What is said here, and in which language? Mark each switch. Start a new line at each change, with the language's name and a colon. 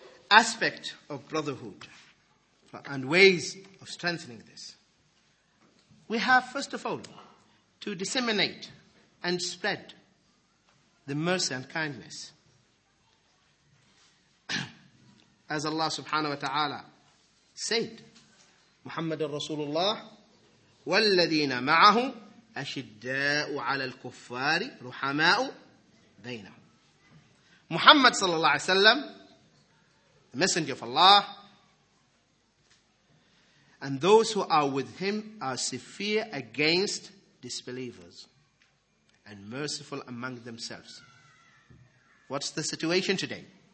English: Aspect of brotherhood and ways of strengthening this. We have, first of all, to disseminate and spread the mercy and kindness. As Allah subhanahu wa ta'ala said,
Arabic: محمد رسول الله والذين معه أشداء على الكفار رحماء بينهم.
English: محمد
Arabic: صلى الله عليه وسلم,
English: the messenger of Allah, and those who are with him are severe against disbelievers and merciful among themselves. What's the situation today?